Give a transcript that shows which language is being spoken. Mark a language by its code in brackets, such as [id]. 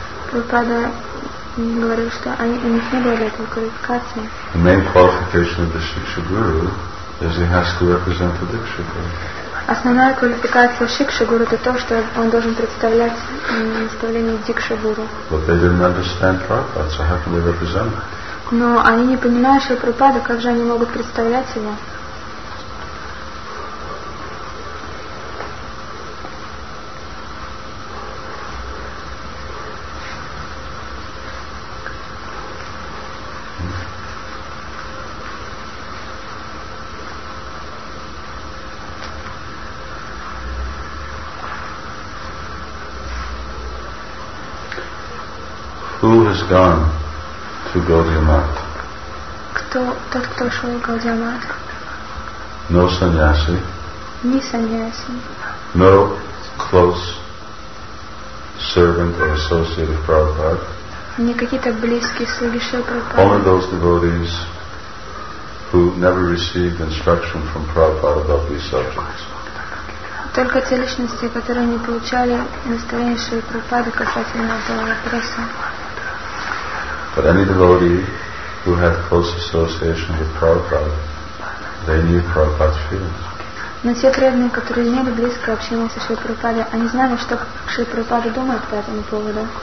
[ru] Прабхупада говорил, что у них не было для этого квалификации. [en] The main qualification of the Shiksha Guru is he has to represent the Diksha Guru. [ru] Основная квалификация Шикши Гуру — это то, что он должен представлять наставление Дикши Гуру. [en] But they didn't understand Prabhupada, so how can they represent it? [ru] Но они не понимают Шрилу Прабхупаду, как же они могут представлять его? [en] Who has gone to Gaudiya Math? [ru] Кто тот, кто шел в Gaudiya Math? [en] No sannyasi. [ru] Ни sannyasi. [en] No close servant or associate of Prabhupada. [ru] Ни какие-то близкие слуги Шрилы Прабхупады. [en] Only those devotees who never received instruction from Prabhupada about these subjects. [ru] Только те личности, которые не получали наставления Шрилы Прабхупады касательно этого вопроса. [en] But any devotee who had close association with Prabhupada, they knew Prabhupada's feelings. [ru] Но те преданные, которые имели близкое общение со Шрилой Прабхупадой, они знали, что Шрила Прабхупада думает по этому поводу.